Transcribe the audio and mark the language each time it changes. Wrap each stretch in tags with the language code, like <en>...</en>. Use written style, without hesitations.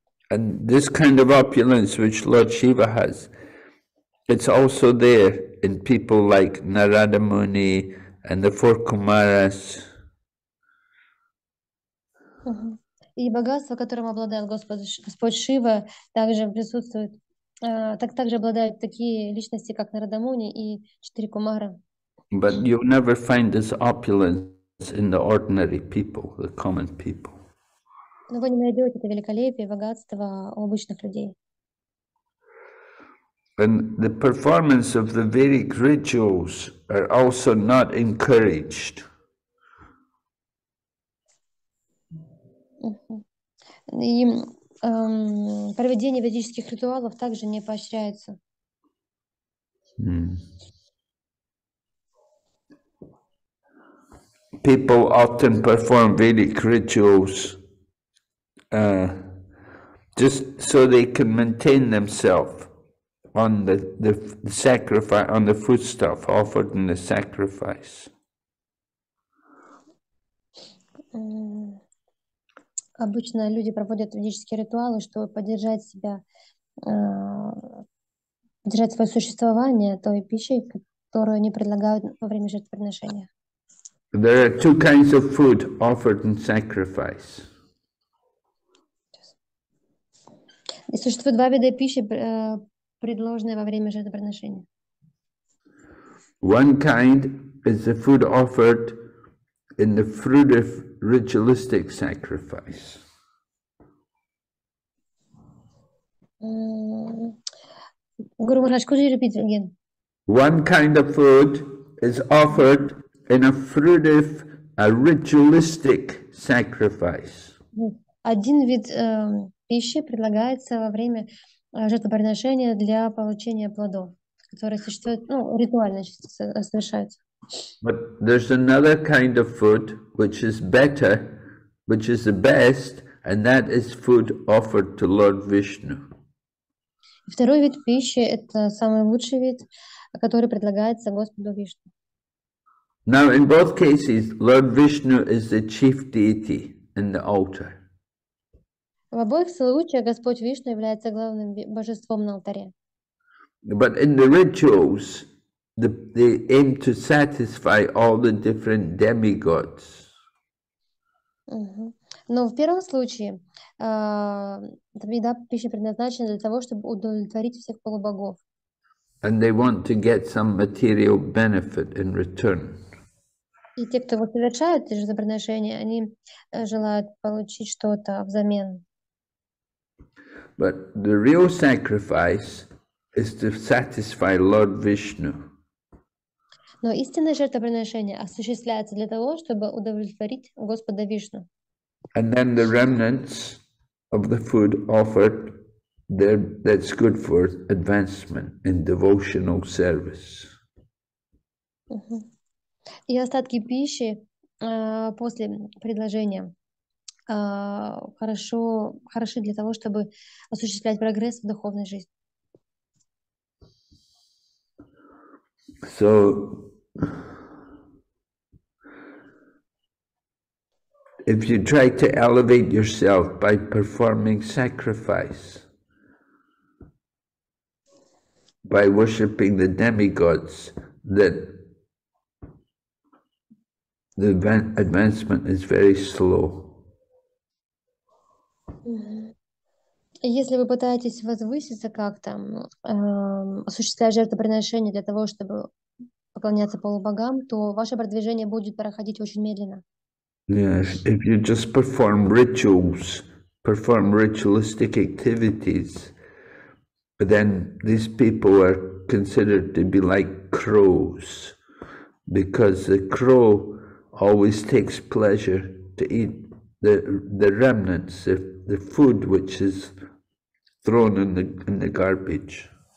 <en>And this kind of opulence which Lord Shiva has, it's also there in people like Narada Muni and the four Kumaras.</en> <ru>И богатство, которым обладает Господь Шива, также присутствует, также обладают такие личности, как Нарада Муни и четыре кумара.</ru> <en>But you'll never find this opulence in the ordinary people, the common people.</en> <ru>Но вы не найдете это великолепие, богатство у обычных людей.</ru> <en>And the performance of the Vedic rituals are also not encouraged.</en> <ru>И проведение ведических ритуалов также не поощряется. Hmm.</ru> <en>people often perform Vedic rituals just so they can maintain themselves on the sacrifice, on the foodstuff offered in the sacrifice.</en> <ru>Обычно люди проводят ведические ритуалы, чтобы поддержать себя, поддержать свое существование той пищей, которую они предлагают во время жертвоприношения.</ru> <en>There are two kinds of food offered in sacrifice.</en> <ru>И существует два вида пищи, предложенные во время жертвоприношения.</ru> <en>One kind is the food offered in the fruit of ritualistic sacrifice. Guru Maharaj, could you repeat again? One kind of food is offered in a fruitive, a ritualistic sacrifice.</en> <ru>Один вид пищи предлагается во время жертвоприношения для получения плодов, которые существуют, ну, ритуально совершаются.</ru> <en>But there's another kind of food which is better, which is the best, and that is food offered to Lord Vishnu.</en> <ru>Второй вид пищи – это самый лучший вид, который предлагается Господу Вишну.</ru> <en>Now, in both cases, Lord Vishnu is the chief deity in the altar.</en> <ru>В обоих случаях Господь Вишну является главным божеством на алтаре.</ru> <en>But in the rituals, they aim to satisfy all the different demigods.</en> <ru>Но в первом случае еда, пища предназначена для того, чтобы удовлетворить всех полубогов.</ru> <en>And they want to get some material benefit in return.</en> <ru>И те, кто совершают эти жертвоприношения, они желают получить что-то взамен.</ru> <en>But the real sacrifice is to satisfy Lord Vishnu.</en> <ru>Но истинное жертвоприношение осуществляется для того, чтобы удовлетворить Господа Вишну.</ru> <en>And then the remnants of the food offered, that's good for advancement in devotional service.</en> <ru>И остатки пищи после предложения хороши для того, чтобы осуществлять прогресс в духовной жизни.</ru> <en>So, if you try to elevate yourself by performing sacrifice, by worshipping the demigods, then the advancement is very slow.</en> <ru>Если вы пытаетесь возвыситься как-то, осуществляя жертвоприношение для того, чтобы поклоняться полубогам, то ваше продвижение будет проходить очень медленно.</ru> <en>Yes, if you just perform rituals, perform ritualistic activities, but then these people are considered to be like crows, because the crow always takes pleasure to eat the remnants, the food which is thrown in the garbage.</en>